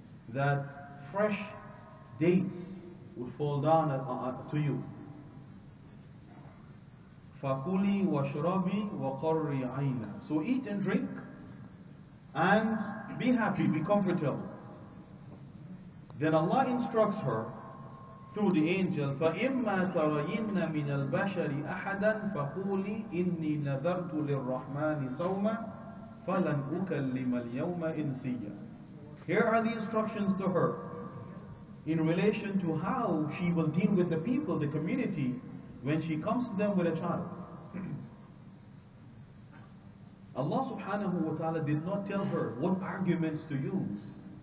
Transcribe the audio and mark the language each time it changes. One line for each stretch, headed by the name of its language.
English: That fresh dates would fall down to you.
Arabic: فَكُلِي وَشْرَبِي وَقَرِّي عَيْنًا.
English: So eat and drink and be happy, be comfortable. Then Allah instructs her through the angel,
Arabic: فَإِمَّا تَرَيِنَّ مِنَ الْبَشَرِ أَحَدًا فَقُولِي إِنِّي نَذَرْتُ لِلرَّحْمَنِ صَوْمًا فَلَنْ أُكَلِّمَ الْيَوْمَ إِنْسِيًّا.
English: Here are the instructions to her in relation to how she will deal with the people, the community, when she comes to them with a child. Allah subhanahu wa ta'ala did not tell her what arguments to use.